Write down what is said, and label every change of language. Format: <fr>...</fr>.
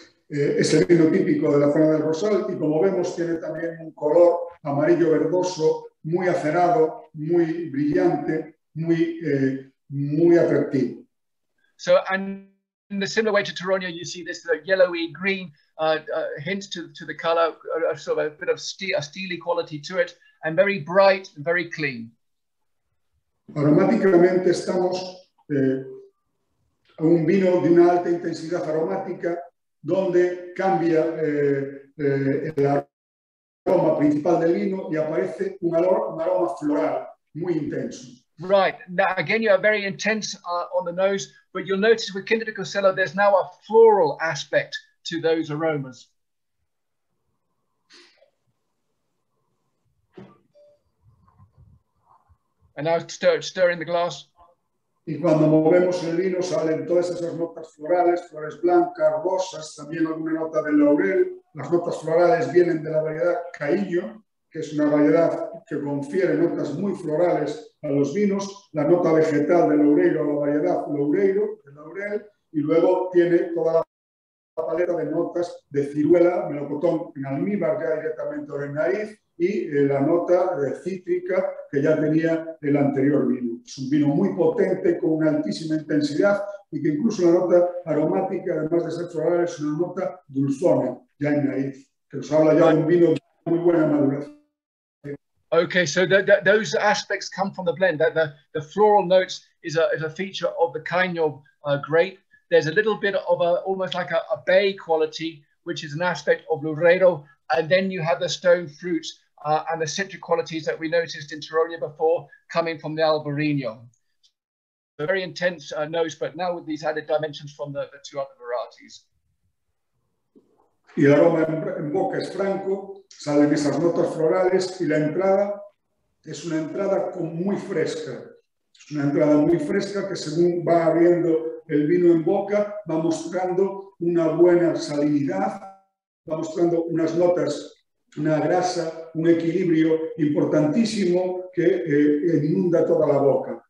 <es>Es el vino típico de la zona del Rosal, y como vemos, tiene también un color amarillo verdoso, muy acerado, muy brillante, muy, muy atractivo.</es> <en>So, and in the similar way to Turonia, you see this yellowy green, hint to the color, sort of a bit of a steely quality to it, and very bright, very clean.</en> <es>Aromáticamente estamos un vino de una alta intensidad aromática, donde cambia el aroma principal del vino y aparece un aroma floral muy intenso.</es> <en>Right. Now, again, you are very intense on the nose, but you'll notice with Quinta de Couselo, there's now a floral aspect to those aromas. And now stirring the glass.</en> <es>Y cuando movemos el vino salen todas esas notas florales, flores blancas, rosas, también alguna nota de laurel. Las notas florales vienen de la variedad Caíño, que es una variedad que confiere notas muy florales a los vinos. La nota vegetal de laurel, la variedad Loureiro, de laurel, y luego tiene toda la la paleta de notas de ciruela, melocotón en almíbar ya directamente en nariz y la nota cítrica que ya tenía el anterior vino. Es un vino muy potente con una altísima intensidad y que incluso la nota aromática, además de ser floral, es una nota dulzona ya en nariz, que nos habla ya de un vino de muy buena madurez.</es> <en>Okay, so those aspects come from the blend. The floral notes is a feature of the kind of grape. There's a little bit of a almost like a bay quality, which is an aspect of Lureiro. And then you have the stone fruits and the citric qualities that we noticed in Turonia before coming from the Albariño. A very intense nose, but now with these added dimensions from the two other varieties.</en> <es>Y el aroma en boca es franco, salen esas notas florales y la entrada es una entrada muy fresca. Es una entrada muy fresca que según va abriendo el vino en boca va mostrando una buena salinidad, va mostrando unas notas, una grasa, un equilibrio importantísimo que inunda toda la boca.</es>